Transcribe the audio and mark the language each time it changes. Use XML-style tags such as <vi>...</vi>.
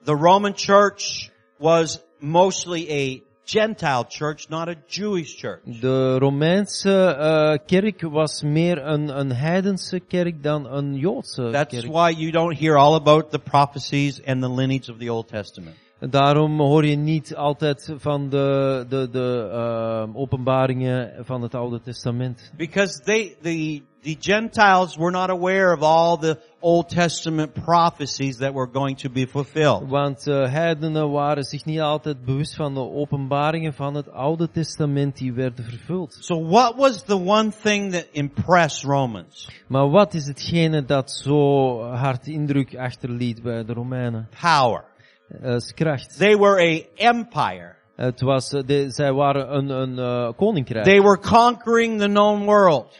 <en>The Roman church was mostly a Gentile church, not a Jewish church.</en> <nl>De Romeinse kerk was meer een heidense kerk dan een Joodse</nl> <en>That's</en> <nl>kerk.</nl> <en>That's why you don't hear all about the prophecies and the lineage of the Old Testament.</en> <nl>Daarom hoor je niet altijd van de openbaringen van het Oude Testament.</nl> <en>Because the Gentiles were not aware of all the Old Testament prophecies that were going to be fulfilled.</en> <nl>Want heidenen waren zich niet altijd bewust van de openbaringen van het Oude Testament die werden vervuld.</nl> <en>So what was the one thing that impressed Romans?</en> <nl>Maar wat is hetgene dat zo hard indruk achterliet bij de Romeinen?</nl> <en>Power. They were a empire.</en> <nl>Zij waren een koninkrijk.</nl> <en>They were conquering the known world.</en>